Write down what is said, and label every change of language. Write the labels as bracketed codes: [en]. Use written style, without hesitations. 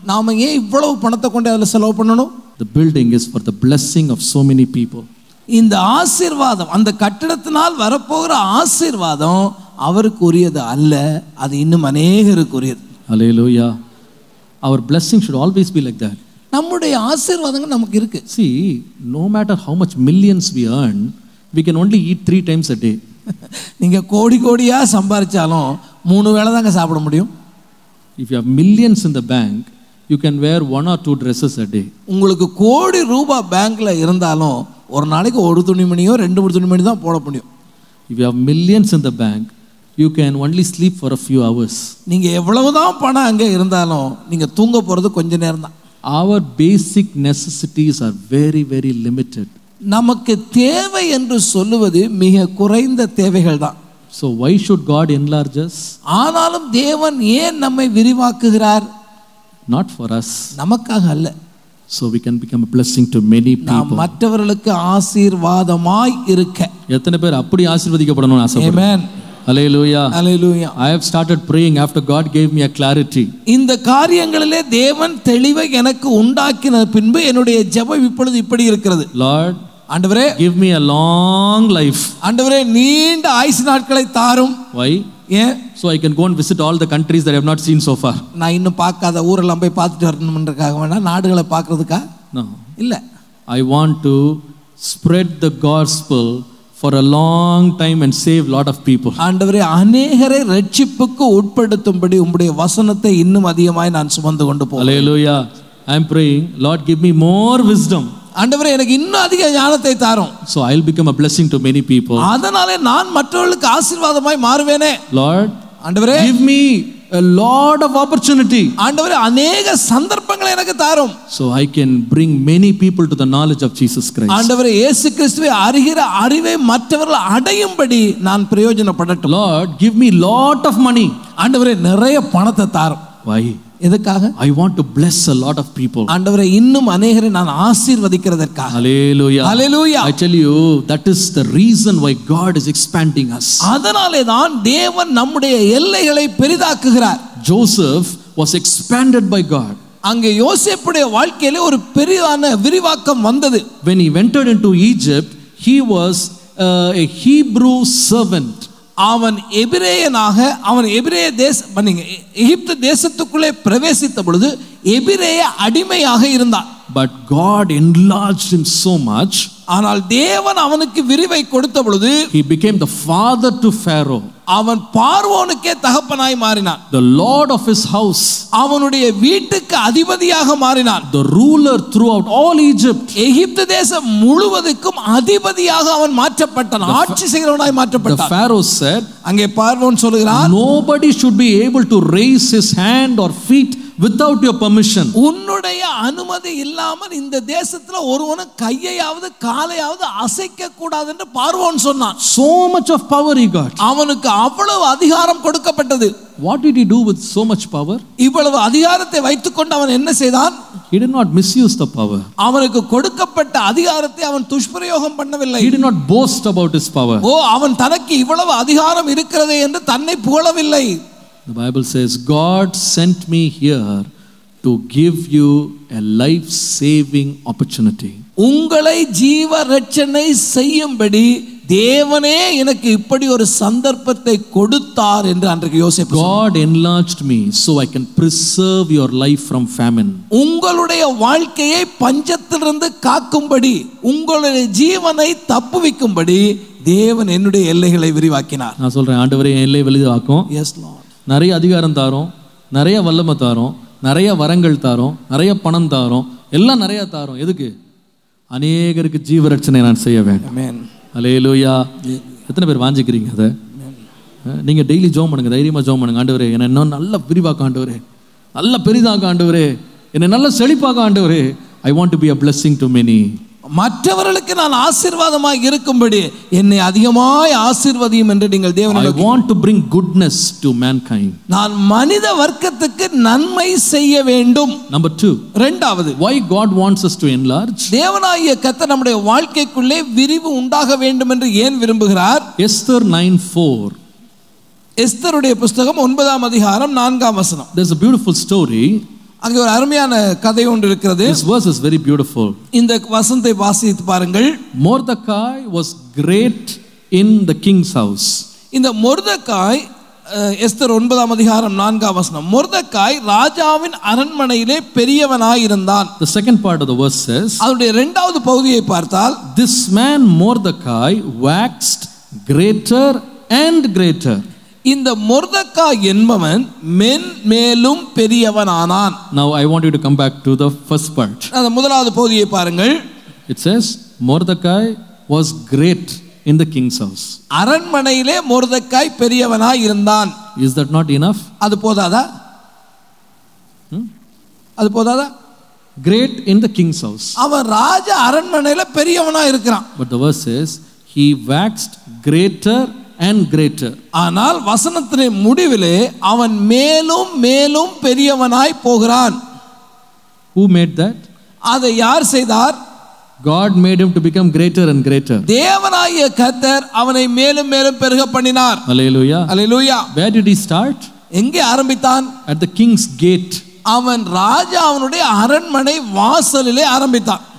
[ta] நாம ஏன் இவ்வளவு பணத்தை கொண்டு அதில் செலவு பண்ணணும்? [en] The building is for the blessing of so many people. [ta] இந்த ஆசீர்வாதம், அந்த கட்டிடத்தினால் வரப்போகிற ஆசீர்வாதம் அவருக்கு உரியது அல்ல, அது இன்னும் அநேகருக்கு உரியது. [en] Hallelujah. Our blessing should always be like that. [ta] நம்முடைய ஆசீர்வாதங்கள் நமக்கு இருக்கு. [en] See, no matter how much millions we earn, we can only eat 3 times a day. [ta] நீங்க கோடி கோடியா சம்பாதிச்சாலும் 3 வேளை தாங்க சாப்பிட முடியும். [en] If you have millions in the bank, you can wear 1 or 2 dresses a day. [ta] உங்களுக்கு கோடி ரூபா பேங்க்ல இருந்தாலும் ஒரு நாளைக்கு 1 துணிமணியோ 2 துணிமணியோ தான் போட முடியும். [en] If you have millions in the bank, you can only sleep for a few hours. [ta] நீங்க எவ்வளவுதான் பணம் அங்க இருந்தாலும் நீங்க தூங்க போறது கொஞ்ச நேரம்தான். [en] Our basic necessities are very very limited. [ta] நமக்கு தேவை என்று சொல்வது மிக குறைந்த தேவைகள் தான். [en] So why should God enlarge us? [ta] ஆனாலும் தேவன் ஏன் நம்மை விரிவாக்குகிறார்? [en] Not for us. [ta] நமக்காக அல்ல. [en] So we can become a blessing to many people. [ta] நாம் மற்றவர்களுக்கு ஆசீர்வாதமாய் இருக்க. எத்தனை பேர் அப்படி ஆசீர்வதிக்கப்படணும்னு ஆசைப்படுறீங்க? [en] Amen. Hallelujah. Hallelujah. I have started praying after God gave me a clarity. [ta] இந்த காரியங்களிலே தேவன் தெளிவை எனக்கு உண்டாக்கின பின்பு என்னுடைய ஜெபம் இப்பொழுது இப்படி இருக்கிறது. [en] Lord, [ta] ஆண்டவரே, [en] give me a long life. [ta] ஆண்டவரே, நீண்ட ஆயுஸ் நாட்களை தாரும். [en] Why? Yeah. So I can go and visit all the countries that I have not seen so far. [ta] நான் இன்னும் பார்க்காத ஊரெல்லாம் போய் பார்த்துட்டு வரணும்ன்றதுக்காக வேணா நாடுகளை பார்க்கறதுக்கா? [en] No. [ta] இல்ல. [en] I want to spread the gospel for a long time and save lot of people. [ta] ஆண்டவரே, அநேகரை ரட்சிப்புக்கு உட்படுத்தும்படி உம்முடைய வசனத்தை இன்னும் அதிகமாய் நான் சுமந்து கொண்டு போறேன். [en] Hallelujah. I am praying, Lord, give me more wisdom. [ta] ஆண்டவரே, எனக்கு இன்னும் அதிக ஞானத்தை தாரும். [en] So I will become a blessing to many people. [ta] அதனாலே நான் மற்றவர்களுக்கு ஆசீர்வாதமாய் மாறுவேனே. [en] Lord, [ta] ஆண்டவரே, [en] give me a lot of opportunity. [ta] ஆண்டவரே, அநேக சந்தர்ப்பங்களை எனக்கு தாரும். [en] So I can bring many people to the knowledge of Jesus Christ. [ta] ஆண்டவரே, இயேசு கிறிஸ்துவை அறிகிற அறிவை மற்றவர்கள் அடையும்படி நான் பிரயோஜனப்படட்டும். [en] Lord, give me lot of money. [ta] ஆண்டவரே, நிறைய பணத்தை தாரும். [en] Why? [ta] எதற்காக? [en] I want to bless a lot of people. [ta] ஆண்டவரே, இன்னும் அநேகரை நான் ஆசீர்வதிக்கிறதற்காக. [en] Hallelujah. Hallelujah. I tell you, that is the reason why God is expanding us. [ta] அதனாலே தான் தேவன் நம்முடைய எல்லைகளை பெரிதாக்குகிறார். [en] Joseph was expanded by God. [ta] அங்கே யோசேப்புடைய வாழ்க்கையிலே ஒரு பெரியான விரிவாக்கம் வந்தது. [en] When he entered into Egypt, he was a Hebrew servant. [ta] அவன் எபிரேயனாக, அவன் எபிரேய தேசம் எகிப்து தேசத்துக்குள்ளே பிரவேசித்த பொழுது எபிரேய அடிமையாக இருந்தான். [en] But God enlarged him so much. [ta] ஆனால் தேவன் அவனுக்கு விரிவை கொடுத்த பொழுது [en] he became the father to Pharaoh. [ta] அவன் பார்வோனுக்கே தகப்பனாய் மாறினான். [en] The lord of his house. [ta] அவனுடைய வீட்டுக்கு அதிபதியாக மாறினான். [en] The ruler throughout all Egypt. [ta] எகிப்து தேசம் முழுவதுக்கும் அதிபதியாக அவன் மாற்றப்பட்டான். ஆட்சி செய்கிறவனாய் மாற்றப்பட்டான். [en] The Pharaoh said. [ta] அங்கே பார்வோன் சொல்கிறான், [en] nobody should be able to raise his hand or feet without your permission. [ta] உன்னுடைய அனுமதி இல்லாமல் இந்த தேசத்துல ஒருவன கையையாவது காலையாவது அசைக்க கூடாது என்று பார்வோன் சொன்னான். [en] So much of power he got. [ta] அவனுக்கு அவ்வளவு அதிகாரம் கொடுக்கப்பட்டது. [en] What did he do with so much power? [ta] இவ்வளவு அதிகாரத்தை வைத்துக்கொண்டு அவன் என்ன செய்தான்? [en] He did not misuse the power. [ta] அவனுக்கு கொடுக்கப்பட்ட அதிகாரத்தை அவன் துஷ்பிரயோகம் பண்ணவில்லை. [en] He did not boast about his power. [ta] ஓ, அவன் தனக்கு இவ்வளவு அதிகாரம் இருக்கிறதே என்று தன்னை புகழவில்லை. [en] The Bible says, God sent me here to give you a life-saving opportunity. [ta] உங்களை ஜீவ ரட்சணை செய்யும்படி தேவனே எனக்கு இப்படி ஒரு சந்தர்ப்பத்தை கொடுத்தார் என்று அன்றைக்கு யோசிப்பார். [en] God enlarged me so I can preserve your life from famine. [ta] உங்களுடைய வாழ்க்கையை பஞ்சத்திலிருந்து காக்கும்படி உங்களுடைய ஜீவனை தப்புவிக்கும்படி தேவன் என்னுடைய எல்லைகளை விரிவாக்கினார். நான் சொல்றேன், ஆண்டவரே என் எல்லை விரிவாக்கும். [en] Yes, Lord. [ta] நிறைய அதிகாரம் தாரோம், நிறைய வல்லமை தாரோம், நிறைய வரங்கள் தாரோம், நிறைய பணம் தாரோம், எல்லாம் நிறைய தாரோம். எதுக்கு? அநேகருக்கு ஜீவ ரட்சணை நான் செய்ய வேண்டும். [en] Amen. [ta] அலேலூயா. எத்தனை பேர் வாஞ்சிக்கிறீங்க அதை? நீங்கள் டெய்லி ஜோம் பண்ணுங்க, தைரியமாக ஜோம் பண்ணுங்க. ஆண்டவரே என்ன இன்னும் நல்லா விரிவாக்க ஆண்டவரே, நல்ல பெரிதாக ஆண்டவரே, என்னை நல்ல செழிப்பாக ஆண்டவரே. [en] I want to be a blessing to many. [ta] மற்றவர்களுக்கு நான் ஆசீர்வாதமாக இருக்கும்படி என்னை அதிகமாய் ஆசீர்வதியும் என்று நீங்கள் தேவனை. [en] I want to bring goodness to mankind. [ta] நான் மனித வர்க்கத்துக்கு நன்மை செய்ய வேண்டும். [en] Number 2. [ta] இரண்டாவது, [en] why God wants us to enlarge. [ta] தேவனாகிய கர்த்தர் நம்முடைய வாழ்க்கைக்குள்ளே விரிவு உண்டாக வேண்டும் என்று ஏன் விரும்புகிறார்? [en] Esther 9:4. [ta] எஸ்தருடைய புத்தகம் 9 அதிகாரம் 4 வசனம். [en] There's a beautiful story. [ta] அங்கே ஒரு அருமையான கதை ஒன்று இருக்கிறது. [en] This verse is very beautiful. [ta] இந்த வசனத்தை வாசித்து பாருங்கள். [en] Mordecai was great in the king's house. [ta] இந்த மொர்தெகாய், எஸ்தர் 9 அதிகாரம் 4 வசனம், மொர்தெகாய் ராஜாவின் அரண்மனையிலே பெரியவனாய் இருந்தான். [en] The second part of the verse says, [ta] அவருடைய இரண்டாவது பகுதியை பார்த்தால், [en] this man Mordecai waxed greater and greater. [ta] இந்த மொர்தெகாய் என்பவன் மென்மேலும் பெரியவனானான். [en] Now I want you to come back to the first part. [ta] அந்த முதலாவது பகுதியை பாருங்கள். [en] It says Mordecai was great in the king's house. [ta] அரண்மனையிலே மொர்தெகாய் பெரியவனாய் இருந்தான். [en] Is that not enough? [ta] அது போதாதா? அது போதாதா? [en] Great in the king's house. [ta] அவன் ராஜ அரண்மனையில பெரியவனாய் இருக்கிறான். [en] But the verse says he waxed greater and greater. [ta] ஆனால் வசனத்தின் முடிவிலே அவன் மேலும் மேலும் பெரியவனாய் போகிறான். [en] Who made that? [ta] அதை யார் செய்தார்? [en] God made him to become greater and greater. [ta] தேவனாகிய கர்த்தர் அவனை மேலும் மேலும் பெருக பண்ணினார். [en] Hallelujah. Hallelujah. Where did he start? [ta] எங்கே ஆரம்பித்தான்? [en] At the king's gate. [ta] அவன் ராஜா அவனுடைய அரண்மனை வாசலிலே ஆரம்பித்தான்.